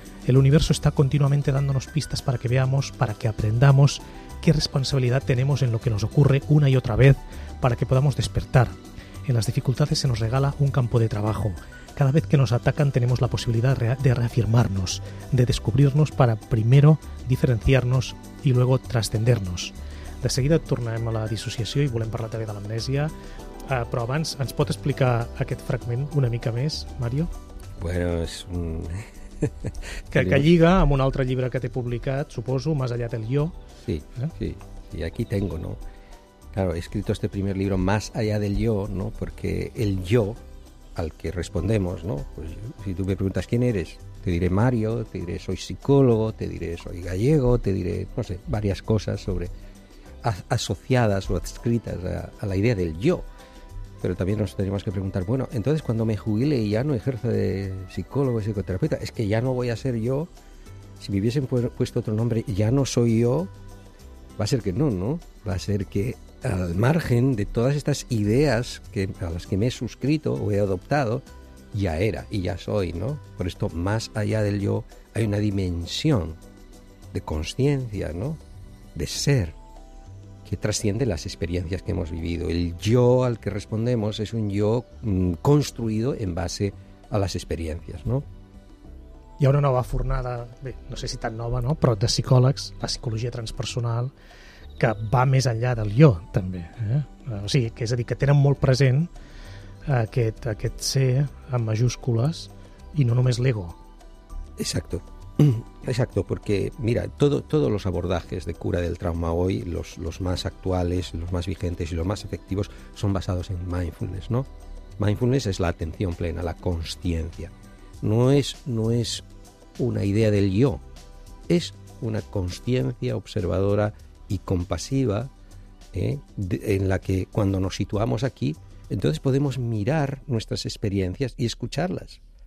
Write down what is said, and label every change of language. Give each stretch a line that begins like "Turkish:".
Spanish: El universo está continuamente dándonos pistas para que veamos, para que aprendamos qué responsabilidad tenemos en lo que nos ocurre una y otra vez, para que podamos despertar. En las dificultades se nos regala un campo de trabajo. Cada vez que nos atacan tenemos la posibilidad de reafirmarnos, de descubrirnos para primero diferenciarnos y luego trascendernos.
Catalan: De seguida tornem a la dissociació i volem parlar també de l'amnèsia, però abans ens pot explicar aquest fragment una mica més, Mario?
Spanish: Bueno, es un...
Catalan: que lliga amb un altre llibre que t'he publicat, suposo, Más allá del yo.
Spanish: Sí, sí, aquí tengo, ¿no? Claro, he escrito este primer libro Más allá del yo, ¿no? Porque el yo al que respondemos, ¿no? Pues si tú me preguntas quién eres, te diré Mario, te diré soy psicólogo, te diré soy gallego, te diré, no sé, varias cosas sobre asociadas o adscritas a la idea del yo. Pero también nos tenemos que preguntar, bueno, entonces cuando me jubile y ya no ejerzo de psicólogo, psicoterapeuta, es que ya no voy a ser yo. Si me hubiesen puesto otro nombre, ya no soy yo. Va a ser que no, ¿no? Va a ser que al margen de todas estas ideas que, a las que me he suscrito o he adoptado, ya era y ya soy, ¿no? Por esto, más allá del yo, hay una dimensión de conciencia, ¿no? De ser, que trasciende las experiencias que hemos vivido. El yo al que respondemos es un yo construido en base a las experiencias, ¿no?
Catalan: Hi ha una nova fornada, bé, no sé si tan nova, no?, però de psicòlegs, la psicologia transpersonal, que va més enllà del jo, també. O sigui, que és a dir, que tenen molt present aquest ser amb majúscules i no només l'ego.
Spanish: Exacto. Exacto, porque mira, todos los abordajes de cura del trauma hoy, los más actuales, los más vigentes y los más efectivos, son basados en mindfulness, ¿no? Mindfulness es la atención plena, la consciencia. No es una idea del yo, es una consciencia observadora y compasiva, en la que cuando nos situamos aquí, entonces podemos mirar nuestras experiencias y escucharlas.